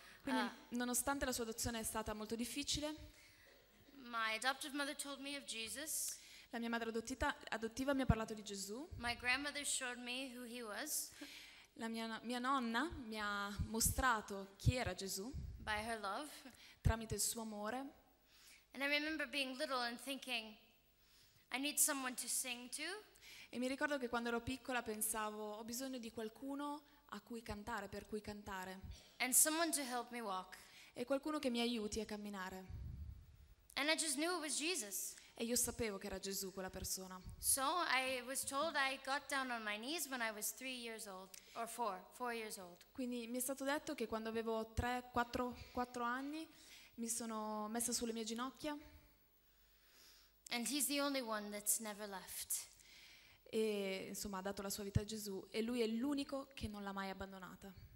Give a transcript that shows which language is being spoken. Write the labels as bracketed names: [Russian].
[Italian] Quindi, nonostante la sua adozione è stata molto difficile, [English] my adoptive mother told me of Jesus. [Italian] La mia madre adottiva mi ha parlato di Gesù. [English] My grandmother showed me who he was. [Italian] La mia nonna mi ha mostrato chi era Gesù. [English] By her love. [Italian] Tramite il suo amore. [English] And I remember being little and thinking, I need someone to sing to. [Italian] E mi ricordo che quando ero piccola pensavo, ho bisogno di qualcuno a cui cantare, per cui cantare. [English] And someone to help me walk. [Italian] E qualcuno che mi aiuti a camminare. [English] And I just knew it was Jesus. [Italian] E io sapevo che era Gesù quella persona. [English] So I was told I got down on my knees when I was 3 years old or four years old. [Italian] Quindi mi è stato detto che quando avevo 3-4 anni mi sono messa sulle mie ginocchia. [English] And he's the only one that's never left. [Italian] E insomma ha dato la sua vita a Gesù e lui è l'unico che non l'ha mai abbandonata.